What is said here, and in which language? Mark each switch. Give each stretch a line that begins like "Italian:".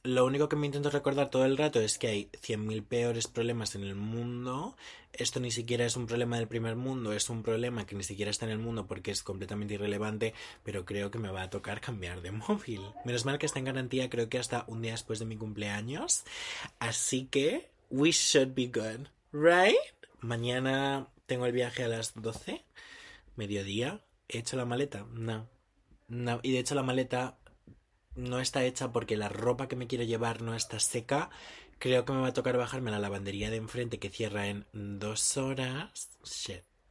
Spanish: Lo único que me intento recordar todo el rato es que hay 100.000 peores problemas en el mundo. Esto ni siquiera es un problema del primer mundo, es un problema que ni siquiera está en el mundo porque es completamente irrelevante, pero creo que me va a tocar cambiar de móvil. Menos mal que está en garantía, creo que hasta un día después de mi cumpleaños. Así que
English: we should be good, right?
Spanish: Mañana tengo el viaje a las 12, mediodía. ¿He hecho la maleta? No. No, y de hecho la maleta no está hecha porque la ropa que me quiero llevar no está seca. Creo que me va a tocar bajarme a la lavandería de enfrente que cierra en 2 horas. Shit.